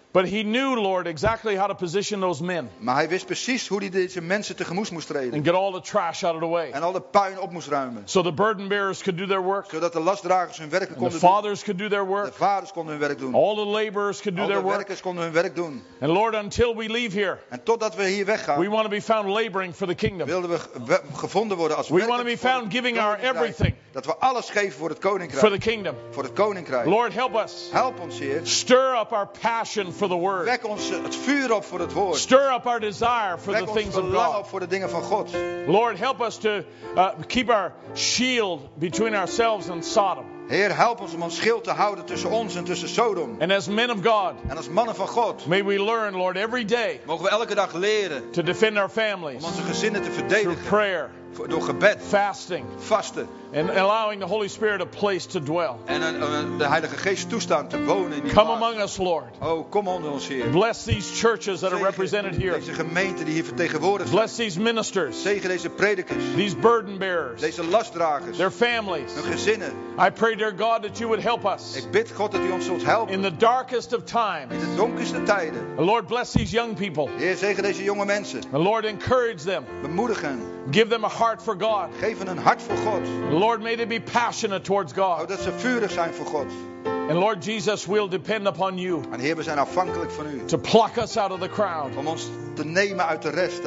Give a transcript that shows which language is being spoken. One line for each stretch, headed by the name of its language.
English: But he knew, Lord, exactly how to position those men.
Dutch: Maar hij wist precies hoe hij deze mensen tegemoet moest treden.
English: And get all the trash out of the way.
Dutch: En al de puin op moest ruimen.
English: So the burden bearers could do their work.
Dutch: Zodat de lastdragers hun werk konden doen.
English: The fathers could do their work.
Dutch: De vaders konden hun werk doen.
English: All the laborers could do their work.
Dutch: Alle werkers konden hun werk doen.
English: And Lord, until we leave here.
Dutch: En totdat we hier weggaan.
English: We want to be found laboring for the kingdom.
Dutch: Wilden we gevonden worden als werkers.
English: We want to be found giving our everything.
Dutch: Dat we alles geven voor het koninkrijk.
English: For the kingdom.
Dutch: Voor het koninkrijk.
English: Lord, help us.
Dutch: Help ons hier.
English: Stir up our passion for the word.
Dutch: Wek ons het vuur op voor het woord.
English: Stir up our desire for
Dutch: Wek
English: the things of God.
Dutch: Op voor de dingen van God.
English: Lord, help us to keep our shield between ourselves and Sodom.
Dutch: Heer, help ons om ons schild te houden tussen ons en tussen Sodom.
English: And as men of God,
Dutch: en als mannen van God,
English: may we learn, Lord, every day,
Dutch: mogen we elke dag leren,
English: to defend our families,
Dutch: om onze gezinnen te verdedigen,
English: through prayer,
Dutch: door gebed,
English: fasting,
Dutch: vasten,
English: and allowing the Holy Spirit a place to dwell,
Dutch: en de Heilige Geest toestaan te wonen in die
English: Come
Dutch: plaats.
English: Among us, Lord.
Dutch: Oh, kom onder ons, Heer.
English: Bless these churches that are represented here.
Dutch: Deze gemeente die hier vertegenwoordigd
English: Bless these ministers.
Dutch: Zegen deze predikers.
English: These burden bearers.
Dutch: Deze lastdragers.
English: Their families.
Dutch: Hun gezinnen.
English: I pray, dear God, that you would help us.
Dutch: Ik bid God dat u ons zult helpen.
English: In the darkest of times.
Dutch: In de donkerste tijden.
English: Lord, bless these young people.
Dutch: Heer, zegen deze jonge mensen.
English: Lord, encourage them.
Dutch: Bemoedig hen.
English: Give them a heart for God.
Dutch: Geef hen een hart voor God.
English: Lord, may they be passionate towards God.
Dutch: Dat ze vurig zijn voor God.
English: And Lord Jesus, we'll depend upon you.
Dutch: En Heer, we zijn afhankelijk van u.
English: To pluck us out of the crowd.
Dutch: Om ons te nemen uit de rest.